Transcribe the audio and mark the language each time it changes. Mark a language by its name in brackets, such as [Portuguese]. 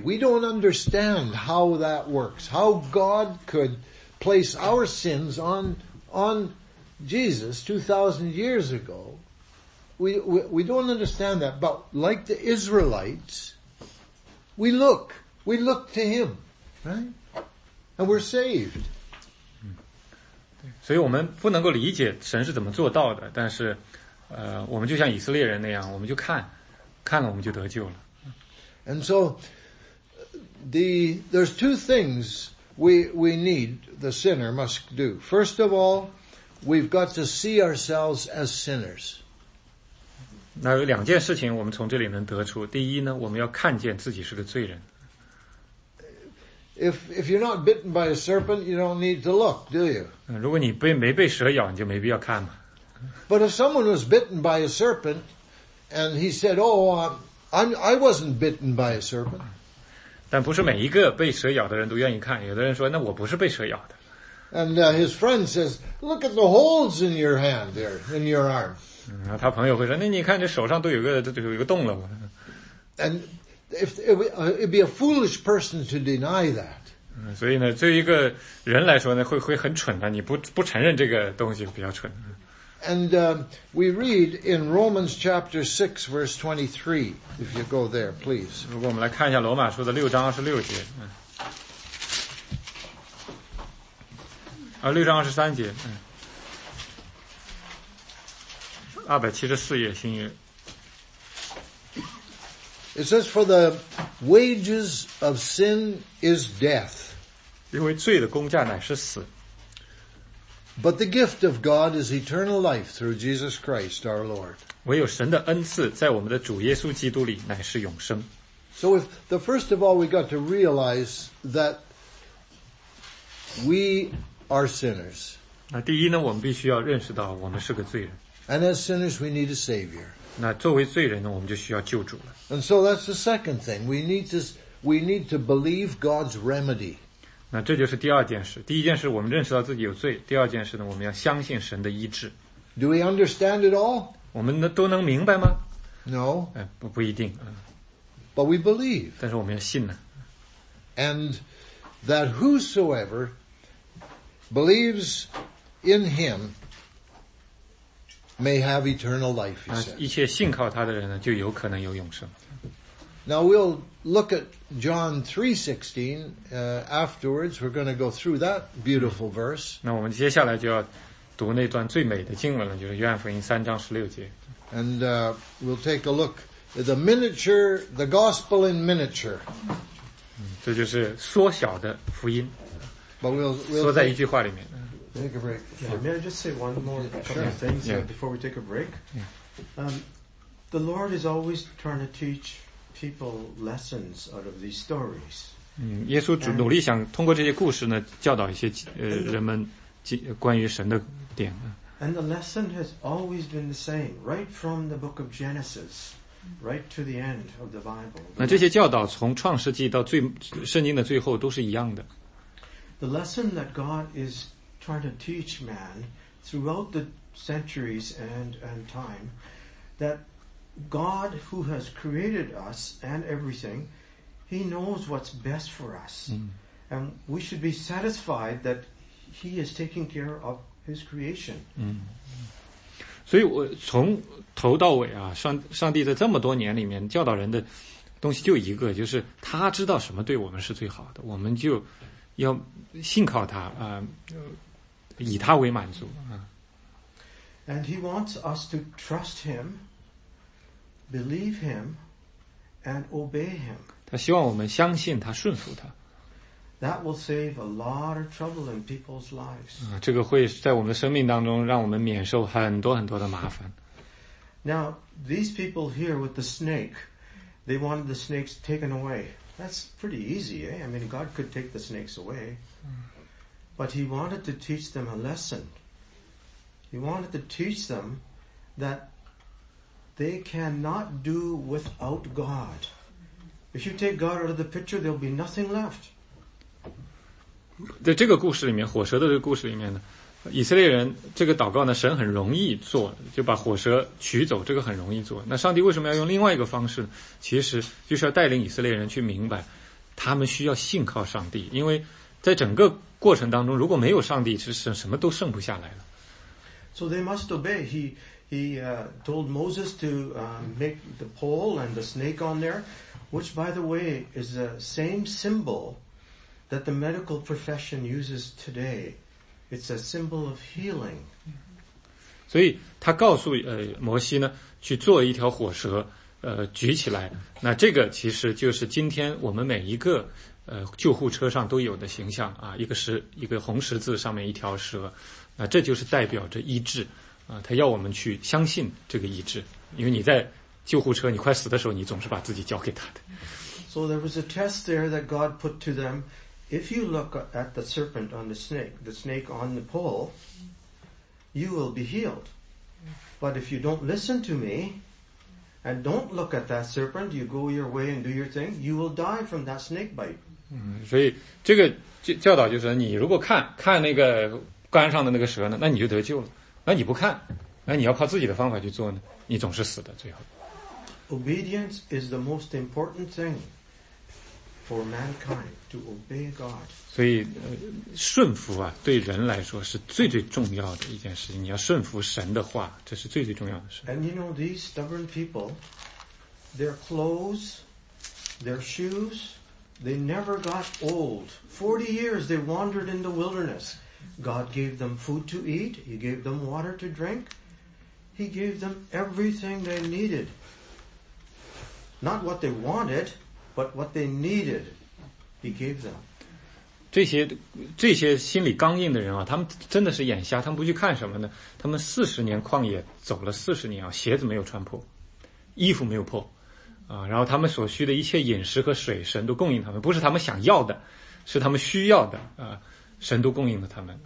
[English] We don't understand how that works, how God could place our sins on Jesus 2000 years ago. We don't understand that, but like the Israelites, we look to him, right? And we're saved. [Chinese] 所以我们不能够理解神是怎么做到的，但是我们就像以色列人那样，我们就看了我们就得救了。 [English] And so, there's two things we need the sinner must do. First of all, we've got to see ourselves as sinners. [Chinese] 那有两件事情我们从这里能得出。第一呢，我们要看见自己是个罪人。 [English] If you're not bitten by a serpent, you don't need to look, do you? [Chinese] 如果你被没被蛇咬，你就没必要看嘛。 [English] But if someone was bitten by a serpent, and he said, I wasn't bitten by a serpent. [Chinese] 但不是每一个被蛇咬的人都愿意看。有的人说，那我不是被蛇咬的。 [English] And his friend says, look at the holes in your hand there, in your arm. [Chinese] 他朋友会说，那你看这手上都有一个洞了。 [English] And it'd be a foolish person to deny that. [Chinese] 所以呢，对于一个人来说呢，会很蠢的。你不承认这个东西比较蠢。 [English] And we read in Romans chapter 6 verse 23, if you go there, please. [Chinese] 如果我们来看一下罗马书的六章二十六节，六章二十三节，274页新约。 [English] It says, "For the wages of sin is death." [Chinese] 因为罪的工价乃是死。 [English] But the gift of God is eternal life through Jesus Christ our Lord. [Chinese] 唯有神的恩赐在我们的主耶稣基督里乃是永生。 [English] So if the first of all we got to realize that we are sinners. [Chinese] 那第一呢，我们必须要认识到我们是个罪人。 [English] And as sinners, we need a savior. [Chinese] 那作为罪人呢，我们就需要救主了。 [English] And so that's the second thing. We need to believe God's remedy. [Chinese] 那这就是第二件事。第一件事，我们认识到自己有罪；第二件事呢，我们要相信神的医治。 [English] Do we understand it all? [Chinese] 我们都能明白吗 [English] ？No. [Chinese] 不一定。 [English] But we believe. [Chinese] 但是我们要信呢。 [English] And that whosoever believes in Him may have eternal life. [Chinese] 那一切信靠他的人呢，就有可能有永生。 [English] Now we'll look at John 3:16. Afterwards, we're going to go through that beautiful verse. [Chinese] 那我们接下来就要读那段最美的经文了，就是约翰福音三章十六节。 [English] And we'll take a look at the miniature, the gospel in miniature. [Chinese] 这就是缩小的福音。 [English] But we'll [Chinese] 缩在一句话里面。 [English] Take a break. Yeah, may I just say one more couple of things before we take a break? The Lord is always trying to teach. People lessons out of these stories. [Chinese] 耶稣主努力想通过这些故事呢，教导一些人们关于神的点。 [English] And the lesson has always been the same, right from the book of Genesis, right to the end of the Bible. [Chinese] 那这些教导从创世纪到最圣经的最后都是一样的。 [English] The lesson that God is trying to teach man throughout the centuries and time, that. God, who has created us and everything, He knows what's best for us. And we should be satisfied that He is taking care of His creation. [Chinese] 所以我从头到尾啊，上帝在这么多年里面教导人的东西就一个，就是他知道什么对我们是最好的，我们就要信靠他，以他为满足。 [English] And He wants us to trust Him. Believe him and obey him. [Chinese] 他希望我们相信他，顺服他。 [English] That will save a lot of trouble in people's lives. [Chinese] 这个会在我们的生命当中让我们免受很多很多的麻烦。 [English] Now these people here with the snake, they wanted the snakes taken away. That's pretty easy, eh? I mean, God could take the snakes away, but He wanted to teach them a lesson. He wanted to teach them that. They cannot do without God. If you take God out of the picture, there'll be nothing left. [Chinese] 在这个故事里面，火蛇的这个故事里面呢，以色列人这个祷告呢，神很容易做，就把火蛇取走，这个很容易做。那上帝为什么要用另外一个方式？其实就是要带领以色列人去明白，他们需要信靠上帝，因为在整个过程当中，如果没有上帝，其实什么都剩不下来了。 [English] So they must obey. He told Moses to make the pole and the snake on there, which, by the way, is the same symbol that the medical profession uses today. It's a symbol of healing. [Chinese] 所以他告诉摩西呢，去做一条火蛇，举起来。那这个其实就是今天我们每一个救护车上都有的形象啊，一个红十字上面一条蛇，那这就是代表着医治。他要我们去相信这个医治。因为你在救护车你快死的时候你总是把自己交给他的。 [English] So there was a test there that God put to them. If you look at the serpent on the snake on the pole, you will be healed. But if you don't listen to me, and don't look at that serpent, you go your way and do your thing, you will die from that snake bite. [Chinese] 所以这个教导就是你如果看那个杆上的那个蛇呢，那你就得救了。那你不看，那你要靠自己的方法去做呢，你总是死的最后。 [English] Obedience is the most important thing for mankind to obey God. [Chinese] 所以顺服啊，对人来说是最最重要的一件事情。你要顺服神的话，这是最最重要的事。 [English] And you know these stubborn people, their clothes, their shoes, they never got old. 40 years they wandered in the wilderness. God gave them food to eat. He gave them water to drink. He gave them everything they needed. Not what they wanted, but what they needed, he gave them. [Chinese] 这些心里刚硬的人啊，他们真的是眼瞎，他们不去看什么呢？他们四十年旷野走了四十年啊，鞋子没有穿破，衣服没有破，啊，然后他们所需的一切饮食和水，神都供应他们，不是他们想要的，是他们需要的啊，神都供应了他们。